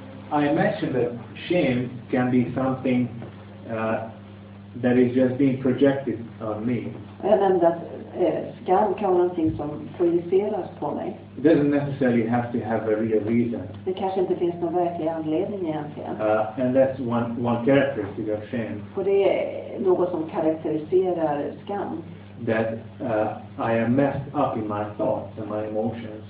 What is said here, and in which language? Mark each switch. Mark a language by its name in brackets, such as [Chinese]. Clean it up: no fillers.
[English] I imagine that shame can be something that is just being projected on me. [Swedish] Jag nämnde att skam kan vara någonting som projiceras på mig. [English] It doesn't necessarily have to have a real reason. [Swedish] Det kanske inte finns någon verklig anledning egentligen. [English] And that's one characteristic of shame. [Swedish] För det är något som karakteriserar skam. [English] That I am messed up in my thoughts and my emotions.